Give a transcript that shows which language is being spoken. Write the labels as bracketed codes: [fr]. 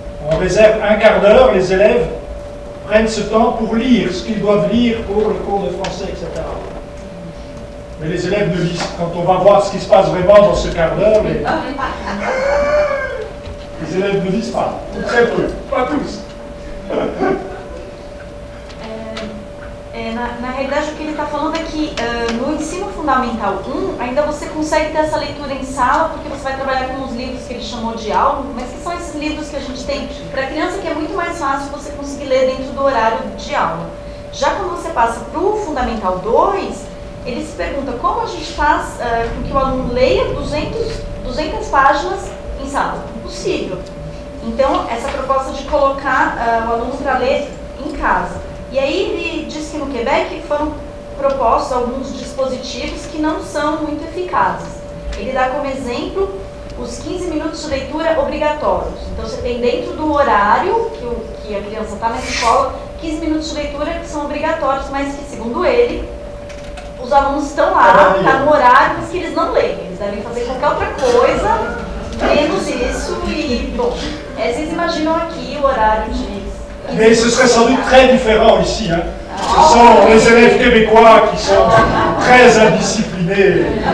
[fr] On réserve un quart d'heure, les élèves prennent ce temps pour lire ce qu'ils doivent lire pour le cours de français, etc. Mais les élèves ne lisent, quand on va voir ce qui se passe vraiment dans ce quart d'heure, les élèves ne lisent pas, ou très peu, pas tous. [pt] Na realidade, o que ele está falando é que no ensino fundamental 1, ainda você consegue ter essa leitura em sala, porque você vai trabalhar com os livros que ele chamou de álbum, mas que são esses livros que a gente tem para criança, que é muito mais fácil você conseguir ler dentro do horário de aula. Já quando você passa para o fundamental 2, ele se pergunta como a gente faz com que o aluno leia 200 páginas em sala. Impossível. Então, essa proposta de colocar o aluno para ler em casa. E aí ele diz que no Quebec foram propostos alguns dispositivos que não são muito eficazes. Ele dá como exemplo os 15 minutos de leitura obrigatórios. Então você tem dentro do horário que a criança está na escola, 15 minutos de leitura que são obrigatórios, mas que segundo ele, os alunos estão lá, está no horário, mas que eles não leem. Eles devem fazer qualquer outra coisa, menos isso e, bom, vocês imaginam aqui o horário de... [fr] Mais ce serait sans doute très différent ici. Hein. Ce sont les élèves québécois qui sont très indisciplinés.